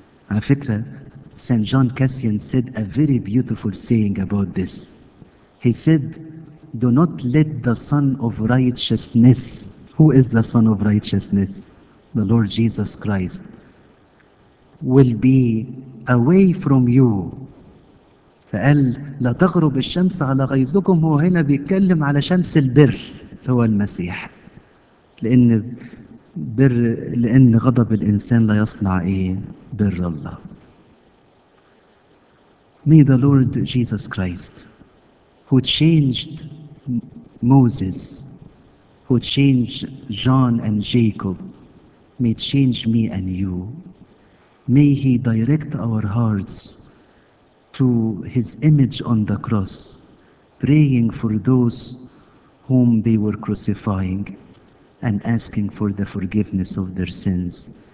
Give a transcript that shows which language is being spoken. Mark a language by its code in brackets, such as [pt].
[ar] على فكرة, [en] St. John Cassian said a very beautiful saying about this. He said, do not let the Son of Righteousness, who is the Son of Righteousness? The Lord Jesus Christ, will be away from you. [ar] فقال لا تغرب الشمس على غيظكم. هو هنا بيتكلم على شمس البر هو المسيح، لأن بر، لأن غضب الإنسان لا يصنع إيه؟ بر الله. [en] May the Lord Jesus Christ, who changed Moses, who changed John and Jacob, may change me and you. May He direct our hearts to His image on the cross, praying for those whom they were crucifying and asking for the forgiveness of their sins.